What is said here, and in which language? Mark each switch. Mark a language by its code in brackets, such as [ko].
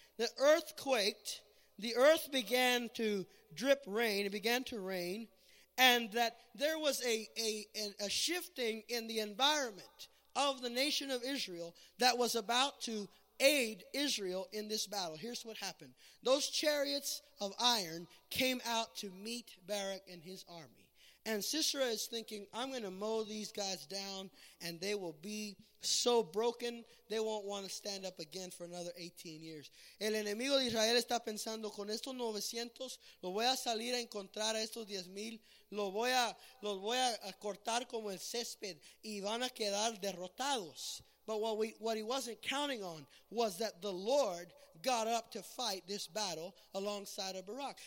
[en] The earth quaked, the earth began to drip rain, it began to rain, and that there was a shifting in the environment of the nation of Israel that was about to aid Israel in this battle. Here's what happened. Those chariots of iron came out to meet Barak and his army. And Sisera is thinking, I'm going to mow these guys down and they will be so broken, they won't want to stand up again for another 18 years. [es] El enemigo de Israel está pensando, con estos 900, lo voy a salir a encontrar a estos 10,000, los voy a cortar como el césped y van a quedar derrotados. [en] But what he wasn't counting on was that the Lord got up to fight this battle alongside of Barak.